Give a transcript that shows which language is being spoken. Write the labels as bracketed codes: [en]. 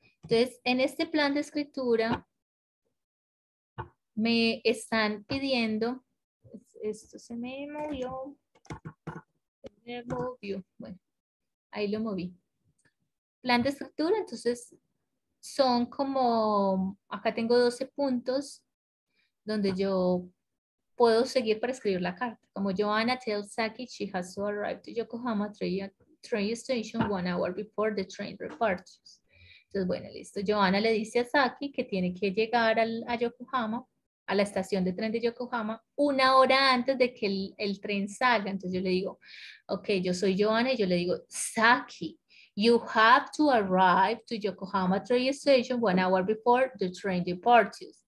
[es] Entonces, en este plan de escritura, me están pidiendo, esto se me movió, bueno, ahí lo moví. Plan de escritura, entonces, son como, acá tengo 12 puntos donde yo puedo seguir para escribir la carta. [en] Como Joana tells Saki, she has to arrive to Yokohama train station 1 hour before the train departs. [es] Entonces, bueno, listo. Joana le dice a Saki que tiene que llegar a Yokohama, a la estación de tren de Yokohama, una hora antes de que el tren salga. Entonces yo le digo, [en] ok, yo soy Joana, y yo le digo, Saki, you have to arrive to Yokohama train station 1 hour before the train departs.